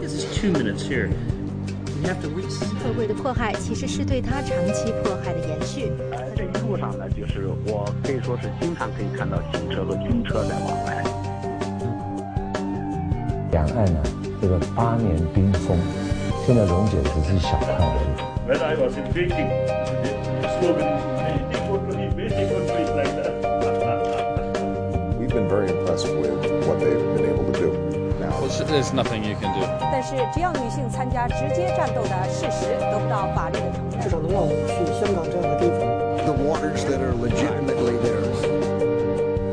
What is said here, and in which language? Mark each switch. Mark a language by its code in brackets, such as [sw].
[zh] 社会的迫害其实是对他长期迫害的延续。这一路上呢，就是我可以说是经常可以看到警车和军车在往来。两岸呢，这个八年冰封，现在溶解只是小看而已。 [en] When I was in Beijing, the slogan "Beijing for me, Beijing for me" like that. We've been very impressed with what they've been able to do. There's nothing you can do. [zh] 但是只要女性参加直接战斗的事实得不到法律的承认，至少能让我们去香港这样的地方。 [en] The waters that are legitimately there.